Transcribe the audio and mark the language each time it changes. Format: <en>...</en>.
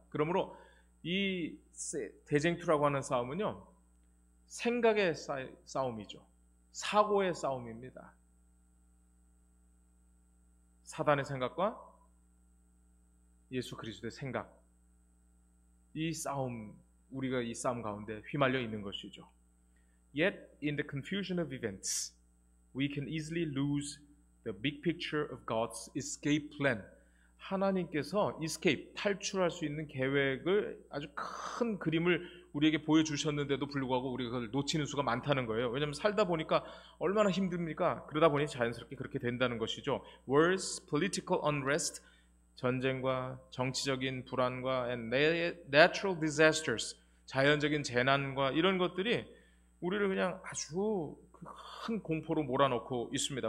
<ko>그러므로 이 대쟁투라고 하는 싸움은요, 생각의 싸움이죠. 사고의 싸움입니다. 사단의 생각과 예수 그리스도의 생각. 이 싸움, 우리가 이 싸움 가운데 휘말려 있는 것이죠.</ko> <en>Yet in the confusion of events, we can easily lose The big picture of God's escape plan.</en> <ko>하나님께서 escape, 탈출할 수 있는 계획을 아주 큰 그림을 우리에게 보여주셨는데도 불구하고 우리가 그걸 놓치는 수가 많다는 거예요. 왜냐하면 살다 보니까 얼마나 힘듭니까? 그러다 보니 자연스럽게 그렇게 된다는 것이죠.</ko> <en>Worse, political unrest,</en> <ko>전쟁과 정치적인 불안과</ko> <en>and natural disasters,</en> <ko>자연적인 재난과 이런 것들이 우리를 그냥 아주 큰 공포로 몰아넣고 있습니다.</ko>